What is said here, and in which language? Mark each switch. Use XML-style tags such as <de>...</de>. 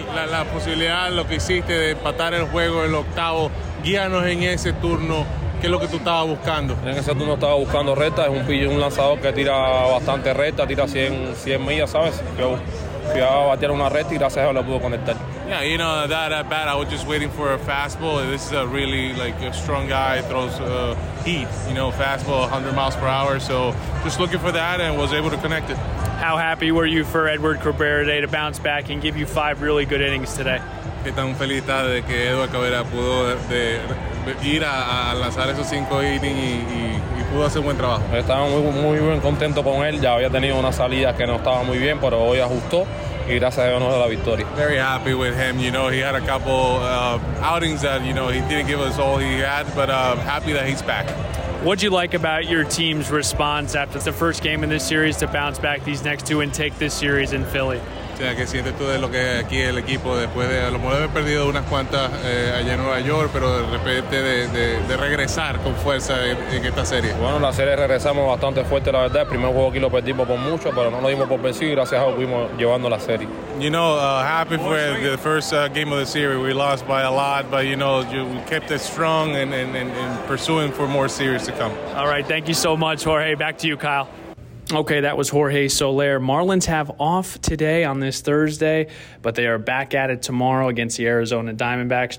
<es>La posibilidad, lo que hiciste de empatar el juego en el octavo, guíanos en ese turno, ¿qué es lo que tú estabas buscando? En ese turno estaba buscando recta, es un lanzador que tira bastante recta, tira 100 millas, ¿sabes? Yo fui a batear una recta y gracias a Dios lo pudo conectar.</es> <en>Yeah, you know, that at bat, I was just waiting for a fastball. This is a really, like, a strong guy, throws heat, you know, fastball 100 miles per hour. So just looking for that and was able to connect it. How happy were you for Edward Cabrera today to bounce back and give you 5 really good innings today?</en> <es>Qué tan feliz está de que Edward Cabrera pudo ir a lanzar esos 5 innings y pudo hacer buen trabajo. Estaba muy, muy bien contento con él. Ya había tenido una salida que no estaba muy bien, pero hoy ajustó. Y gracias a Dios nos dio la victoria.</es> <en>Very happy with him. You know, he had a couple outings that, you know, he didn't give us all he had, but happy that he's back. What'd you like about your team's response after the first game in this series to bounce back these next two and take this series in Philly?</en> <es>Yeah, que sientes tú de lo que aquí el equipo después de a lo mejor haber perdido unas cuantas allá en Nueva York, pero de repente de regresar con fuerza en esta serie. Bueno, la serie regresamos bastante fuerte, la verdad. El primer juego aquí lo perdimos por mucho, pero no lo dimos por vencido y gracias a Dios fuimos llevando la serie.</es> <en>You know, happy for the first game of the series. We lost by a lot, but you know, we kept it strong and pursuing for more series to come. All right, thank you so much, Jorge. Back to you, Kyle. Okay, that was Jorge Soler. Marlins have off today on this Thursday, but they are back at it tomorrow against the Arizona Diamondbacks.</en>